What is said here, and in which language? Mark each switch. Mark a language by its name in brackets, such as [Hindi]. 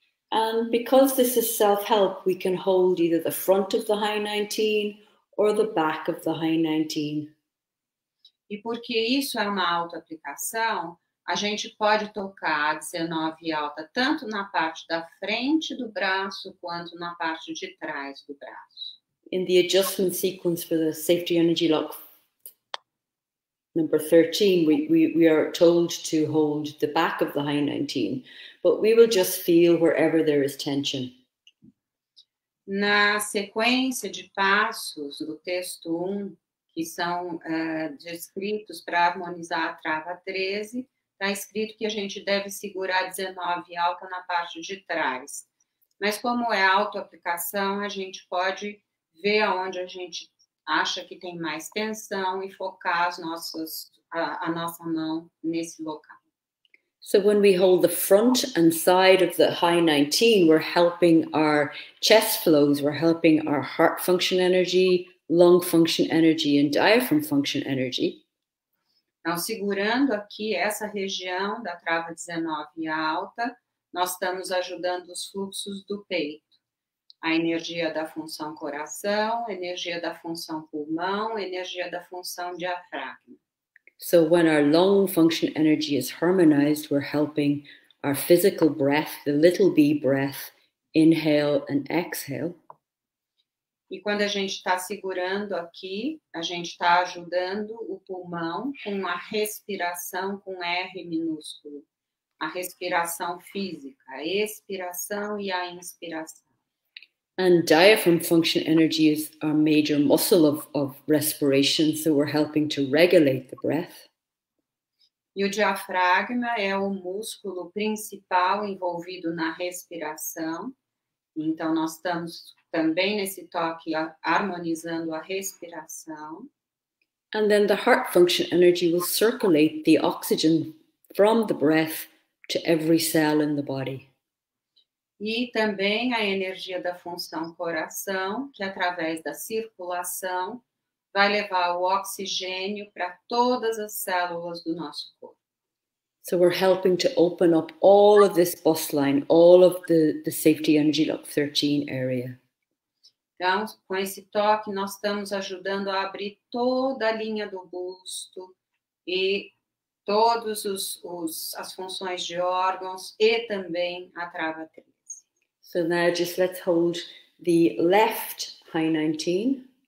[English] And because this is self-help, we can hold either the front of the high 19 or the back of the high 19. [Portuguese] E porque isso é uma auto-aplicação, a gente pode tocar a 19 alta tanto na parte da frente do braço quanto na parte de trás do braço. [English] In the adjustment sequence for the safety energy lock number 13, we are told to hold the back of the high 19, but we will just feel wherever there is tension. [Portuguese] Na sequência de passos do texto 1, que são descritos para harmonizar a trava 13, está escrito que a gente deve segurar 19 alta na parte de trás. Mas como é auto-aplicação, a gente pode ver aonde a gente acha que tem mais tensão e focar as nossas, a nossa mão nesse local. [English] So when we hold the front and side of the high 19, we're helping our chest flows, we're helping our heart function energy, lung function energy and diaphragm function energy. [Portuguese] Então, segurando aqui essa região da trava 19 alta, nós estamos ajudando os fluxos do peito. A energia da função coração, energia da função pulmão, energia da função diafragma. [English] So when our lung function energy is harmonized, we're helping our physical breath, the little b breath, inhale and exhale. [Portuguese] E quando a gente está segurando aqui, a gente está ajudando o pulmão com a respiração com R minúsculo. A respiração física, a expiração e a inspiração. [English] And diaphragm function energy is our major muscle of respiration, so we're helping to regulate the breath. [Portuguese] E o diafragma é o músculo principal envolvido na respiração. Então, nós estamos também nesse toque harmonizando a respiração. [English] And then the heart function energy will circulate the oxygen from the breath to every cell in the body. [Portuguese] E também a energia da função coração, que através da circulação vai levar o oxigênio para todas as células do nosso corpo. [English] So we're helping to open up all of this bus line, all of the safety energy lock 13 area. [Portuguese] Então, com esse toque, nós estamos ajudando a abrir toda a linha do busto e todos as funções de órgãos e também a trava 13. [English] So now just let's hold the left high 19.